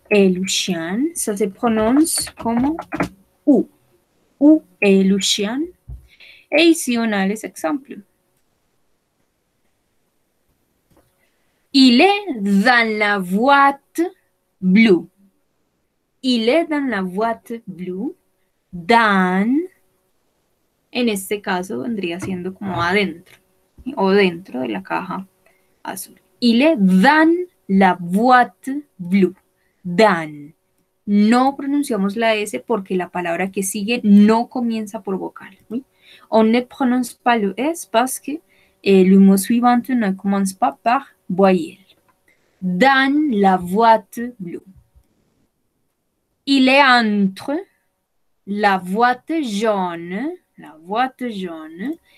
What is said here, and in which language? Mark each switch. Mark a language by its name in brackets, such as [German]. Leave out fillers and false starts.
[French] Et le chien, ça se prononce comme où. Où est le chien? Et ici, on a les exemples. Il est dans la boîte bleue. Il est dans la boîte bleue. [Spanish] Dans, en este caso, vendría siendo como adentro o dentro de la caja azul. [French] Il est dans la boîte bleue. Dan. [Spanish] No pronunciamos la S porque la palabra que sigue no comienza por vocal. ¿Sí? [French] On ne prononce pas le S parce que le mot suivant ne commence pas par voyelle. Dan la boîte bleue. Il est entre la boîte jaune et la boîte bleue.